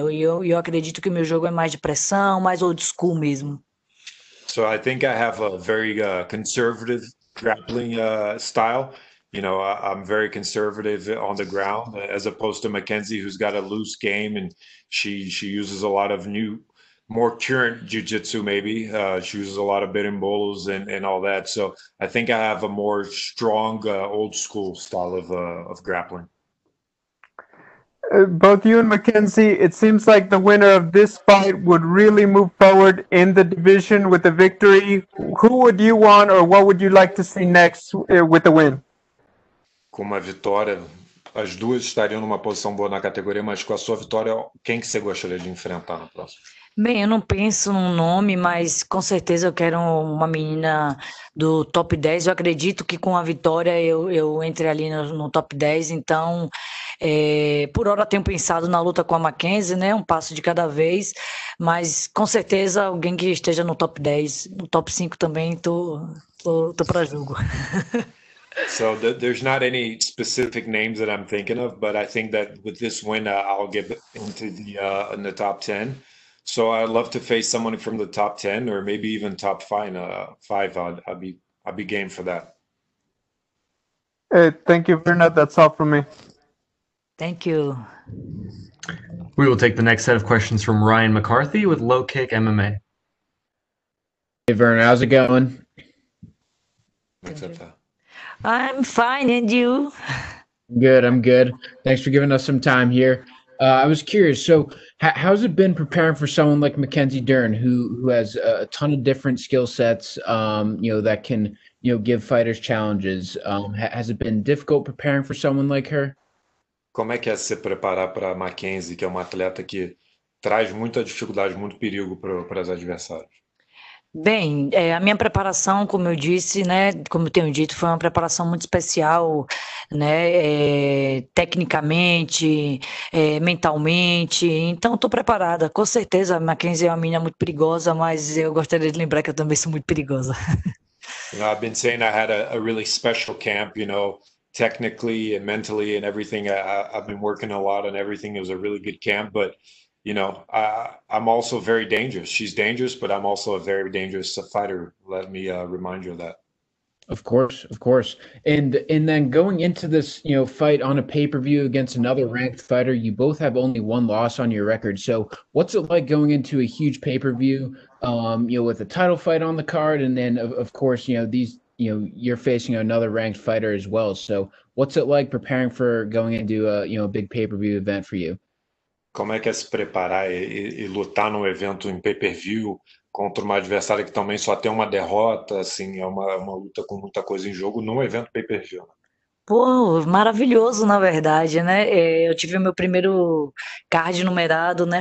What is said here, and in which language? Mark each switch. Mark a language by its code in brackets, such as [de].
[pt] E eu acredito que o meu jogo é mais de pressão, mais old school mesmo. [en] So I think I have a very conservative grappling style. You know, I'm very conservative on the ground, as opposed to Mackenzie, who's got a loose game, and she uses a lot of new, more current jiu-jitsu, maybe. She uses a lot of birimbolos and all that. So I think I have a more strong, old-school style of grappling. Both you and Mackenzie, it seems like the winner of this fight would really move forward in the division with a victory. Who would you want, or what would you like to see next with the win? [pt] Com uma vitória, as duas estariam numa posição boa na categoria, mas com a sua vitória, quem que você gostaria de enfrentar na próxima? Bem, eu não penso num nome, mas com certeza eu quero uma menina do top 10. Eu acredito que com a vitória eu entre ali no top 10. Então, por hora tenho pensado na luta com a Mackenzie, né? Um passo de cada vez, mas com certeza alguém que esteja no top 10, no top 5 também, tô para jogo. [en] So there's not any specific names that I'm thinking of, but I think that with this win, I'll get into the top 10. So I'd love to face someone from the top 10 or maybe even top five. I'd be game for that. Hey, thank you, Virna. That's all from me. Thank you. We will take the next set of questions from Ryan McCarthy with Low Kick MMA. Hey, Virna, how's it going? I'm fine, and you? Good, I'm good. Thanks for giving us some time here. I was curious, so how's it been preparing for someone like Mackenzie Dern, who has a ton of different skill sets, you know, that can, you know, give fighters challenges? Has it been difficult preparing for someone like her? [pt] Como é que é se preparar para Mackenzie, que é uma atleta que traz muita dificuldade, muito perigo para os adversários? Bem, a minha preparação, como eu disse, né, como eu tenho dito, foi uma preparação muito especial, né, tecnicamente, mentalmente, então estou preparada. Com certeza, a Mackenzie é uma menina muito perigosa, mas eu gostaria de lembrar que eu também sou muito perigosa. [en] You know, I've been saying I had a really special camp, you know, technically and mentally and everything. I've been working a lot on everything. It was a really good camp, but... You know, I'm also very dangerous. She's dangerous, but I'm also a very dangerous fighter. Let me remind you of that. Of course, of course. And then going into this, you know, fight on a pay-per-view against another ranked fighter, you both have only one loss on your record. So what's it like going into a huge pay-per-view, you know, with a title fight on the card? And then, of course, you know, these, you know, you're facing another ranked fighter as well. So what's it like preparing for going into a, you know, a big pay-per-view event for you? [pt] Como é que é se preparar e lutar num evento em pay-per-view contra uma adversária que também só tem uma derrota, assim, é uma luta com muita coisa em jogo num evento pay-per-view. Pô, maravilhoso, na verdade, né? Eu tive o meu primeiro card numerado, né?